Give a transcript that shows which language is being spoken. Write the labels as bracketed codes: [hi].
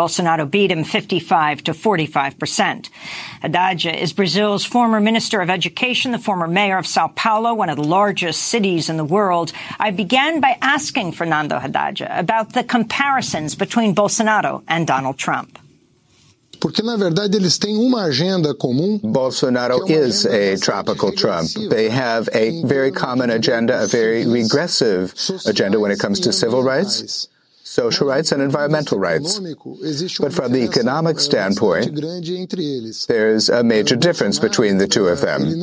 [en] Bolsonaro beat him 55-45%. Haddad is Brazil's former minister of education, the former mayor of Sao Paulo, one of the largest cities in the world. I began by asking Fernando Haddad about the comparisons between Bolsonaro and Donald Trump. [pt] Porque, na verdade, eles têm uma agenda comum. [en] Bolsonaro is a tropical Trump. They have a very common agenda, a very regressive agenda when it comes to civil rights, social rights, and environmental rights. But from the economic standpoint, there is a major difference between the two of them.